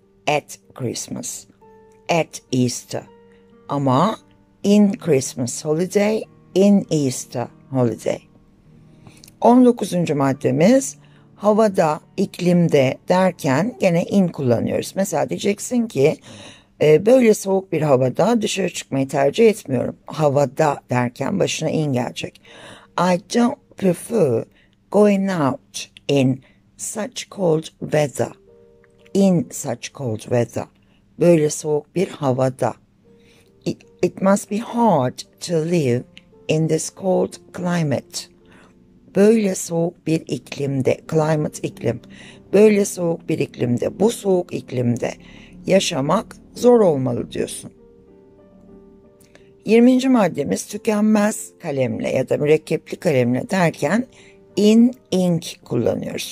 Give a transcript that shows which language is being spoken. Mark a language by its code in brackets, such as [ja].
[en] At Christmas. At Easter. Ama in Christmas holiday, in Easter holiday. 19. [tr] maddemiz, havada, iklimde derken gene in kullanıyoruz. Mesela diyeceksin ki böyle soğuk bir havada dışarı çıkmayı tercih etmiyorum. Havada derken başına in gelecek. [en] I don't prefer going out in such cold weather. In such cold weather. [tr] Böyle soğuk bir havada. [en] It must be hard to live in this cold climate. [tr] Böyle soğuk bir iklimde, climate iklim. Böyle soğuk bir iklimde, bu soğuk iklimde yaşamak zor olmalı diyorsun. 20. maddemiz tükenmez kalemle ya da mürekkepli kalemle derken in ink kullanıyoruz.